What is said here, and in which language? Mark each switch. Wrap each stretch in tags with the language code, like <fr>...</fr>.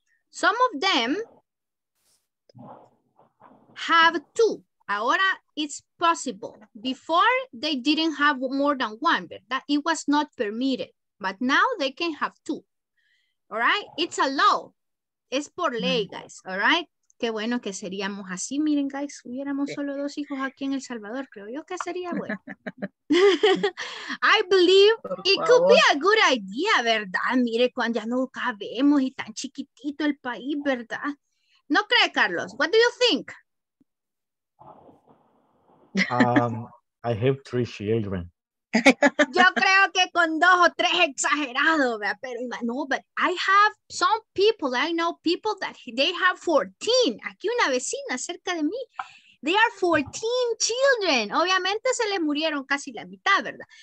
<en>Some of them have two.</en> <es>Ahora</es> <en>it's possible. Before, they didn't have more than one, but that it was not permitted. But now they can have two, all right? It's a law.</en> <es>Es por ley,</es> <en>guys, all right?</en> <es>Qué bueno que seríamos así, miren, guys, hubiéramos solo dos hijos aquí en El Salvador, creo yo que sería bueno.</es> <en>I believe it could be a good idea, ¿verdad?</en> <es>Mire, cuando ya no cabemos y tan chiquitito el país, ¿verdad? ¿No cree, Carlos?</es> <en>What do you think? I have three children.</en> <es>Yo creo que con dos o tres exagerado, ¿verdad? Pero no,</es> <en>but I have some people, I know people that they have 14.</en> <es>Aquí una vecina cerca de mí.</es> <en>They are 14 children.</en> <es>Obviamente se les murieron casi la mitad, ¿verdad?</es>